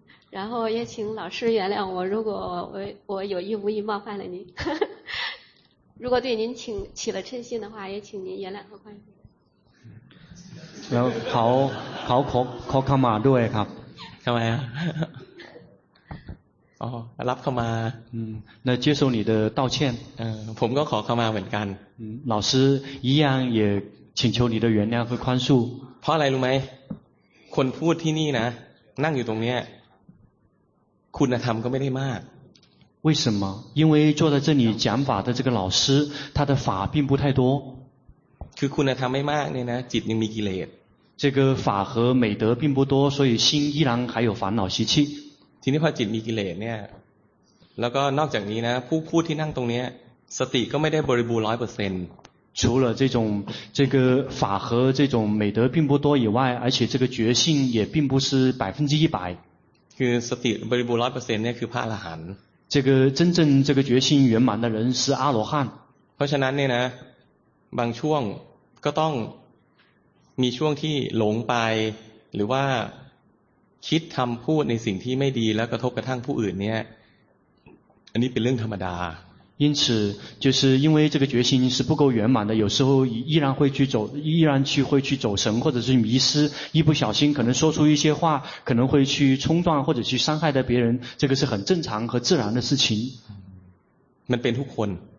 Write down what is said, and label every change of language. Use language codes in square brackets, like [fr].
[zh] 然后也请老师原谅我如果 我有意无意冒犯了您如果对您起了嗔心的话也请您原谅和宽恕然后考考看嘛对吧 [th] ทำไมฮะอ๋อรับเข้ามา [zh] แล้ว接受你的道歉 [th] ผมก็ขอเข้ามาเหมือนกัน [zh] 老师一样也请求你的原谅和宽恕 [th] เพราะอะไรรู้ไหมคนพูดที่นี่นะนั่งอยู่ตรงเนี้ยคุณธรรมก็ไม่ได้มาก [zh] 为什么因为坐在这里讲法的这个老师他的法并不太多 [th] คือคุณธรรมไม่มากเนี่ยนะจิตยังมีกิเลส [zh] 这个法和美德并不多所以心依然还有烦恼习气 [th] ทีนี้พอจิตมีกิเลสเนี่ยแล้วก็นอกจากนี้นะผู้ที่นั่งตรงนี้สติก็ไม่ได้บริบูรณ์ 100% [zh] 除了这个法和这种美德并不多以外而且这个觉性也并不是 100% [th] คือสติบริบูรณ์ 100% เนี่ยคือพระอรหันต์ [zh] 这个真正这个觉性圆满的人是阿罗汉 [th] เพราะฉะนั้นเนี่ยนะบางช่วงก็ต้องมีช่วงที่หลงไปหรือว่าคิดทำพูดในสิ่งที่ไม่ดีแล้วกระทบกระทั่งผู้อื่นเนี่ยอันนี้เป็นเรื่องธรรมดา [zh] 因此就是因为这个决心是不够圆满的有时候依然会去走依然去会去走神或者是迷失一不小心可能说出一些话可能会去冲撞或者去伤害到别人这个是很正常和自然的事情 [th] มันเป็นทุกคน